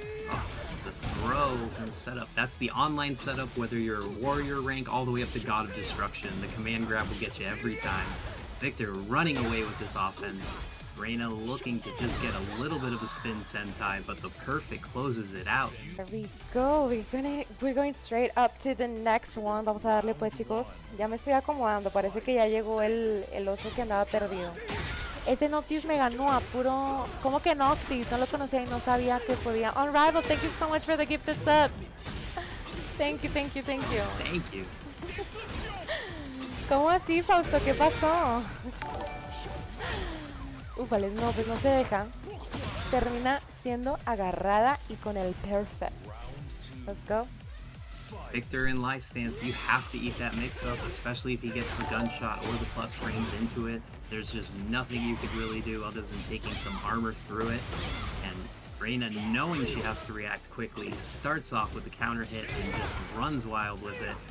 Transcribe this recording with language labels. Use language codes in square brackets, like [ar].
[en] Oh, the throw and setup. That's the online setup, whether you're warrior rank all the way up to God of Destruction. The command grab will get you every time. Victor running away with this offense. Reyna looking to just get a little bit of a spin sentai, but the perfect closes it out. There we go. We're going straight up to the next one. [es] Vamos a darle pues, chicos. Ya me estoy acomodando. Parece que ya llegó el oso que andaba perdido. Ese Noctis me ganó a puro... ¿Cómo que Noctis? No lo conocía y no sabía que podía... [en] Unrival, thank you so much for the gifted subs. Thank you, thank you, thank you. Thank you. [es] ¿Cómo así, Fausto? ¿Qué pasó? Ufales, no, pues no se deja. Termina siendo agarrada y con el perfect. [en] Let's go. Victor in Lai stance, you have to eat that mix-up, especially if he gets the gunshot or the plus frames into it. There's just nothing you could really do other than taking some armor through it. And Reyna, knowing she has to react quickly, starts off with the counter hit and just runs wild with it.